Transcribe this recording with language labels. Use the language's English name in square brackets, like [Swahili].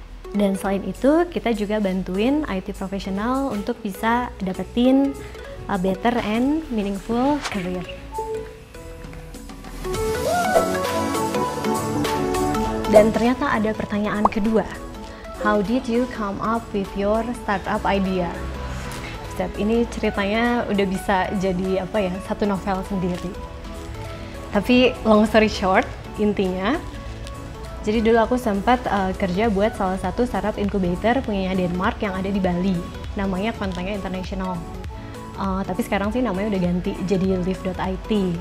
[Indonesian] Dan selain itu, kita juga bantuin IT professional untuk bisa dapetin [English] a better and meaningful career. [Indonesian] Dan ternyata ada pertanyaan kedua. [English] How did you come up with your startup idea? [Indonesian] Step ini ceritanya udah bisa jadi apa ya, satu novel sendiri. Tapi [English] long story short, [Indonesian] intinya jadi dulu aku sempat kerja buat salah satu startup incubator punya Denmark yang ada di Bali. Namanya kontennya International. Tapi sekarang sih namanya udah ganti jadi live.it.